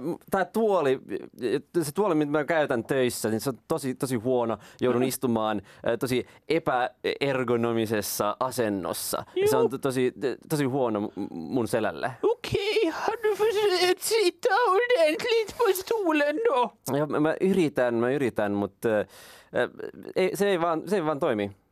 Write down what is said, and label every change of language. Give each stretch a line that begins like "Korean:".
Finnish: Tämä tuoli, se tuoli, mitä mä käytän töissä, niin se on tosi huono. Joudun istumaan tosi epäergonomisessa asennossa. Se on tosi huono mun selälle.
Swedish: Okei, har du försökt sitta ordentligt på stolen då?
Finnish: Mä yritän, mutta se ei vaan toimi.